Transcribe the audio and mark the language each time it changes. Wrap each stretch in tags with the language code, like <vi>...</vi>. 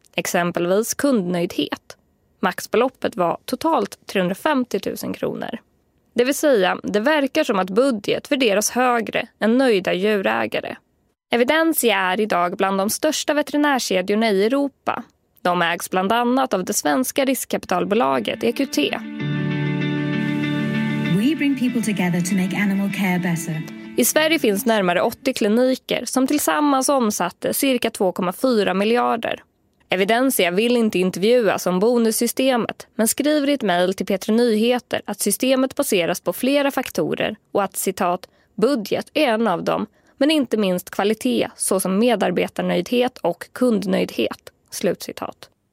<sv>Exempelvis kundnöjdhet. Maxbeloppet var totalt 350 000 kronor. Det vill säga, det verkar som att budget värderas högre än nöjda djurägare. Evidensia är idag bland de största veterinärkedjorna i Europa. De ägs bland annat av det svenska riskkapitalbolaget EQT.</sv> <en>We bring people together to make animal care better.</en> <sv>I Sverige finns närmare 80 kliniker som tillsammans omsatte cirka 2,4 miljarder. Evidensia vill inte intervjuas om bonussystemet, men skriver i ett mejl till P3 Nyheter att systemet baseras på flera faktorer och att, citat, budget är en av dem, men inte minst kvalitet, såsom medarbetarnöjdhet och kundnöjdhet, slutcitat.</sv>